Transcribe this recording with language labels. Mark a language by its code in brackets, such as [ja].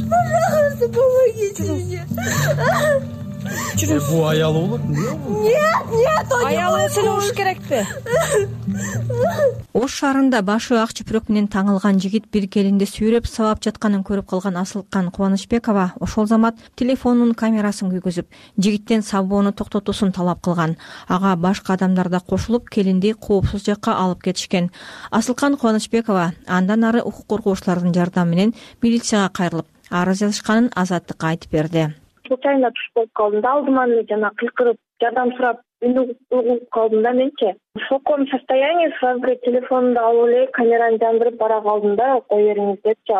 [ru] Пожалуйста, помогите мне. [ky] Жүрүңүз. Бу аялуу болот. [ru] Нет, нет, [ky] аялуу сени уруш керекпи? Ош шаарында башы ак чүпүрөк менен таңылган жигит бир келинди сүйрөп сабап жатканын көрүп калган Асылкан Кубанычбекова ошол замат телефонунун камерасын күйгүзүп, жигиттен сабоону токтотуусун талап кылган. Ага башка адамдар да кошулуп, келинди коопсуз жакка алып кетишкен. Асылкан Кубанычбекова андан ары укук коргоочулардын жардамы менен милицияга кайрылып, арыз жазышканын Азаттыкка айтып берди. [ru] Случайно [ky] түш болуп калдым да, алдыман эле жана кыйкырып жардам сурап үнүгүп калдым да менчи. [ru] В шоковом состоянии сразу говорит, [ky] телефонду алып эле камераны жандырып бара калдым да, кой бериңиз депчи.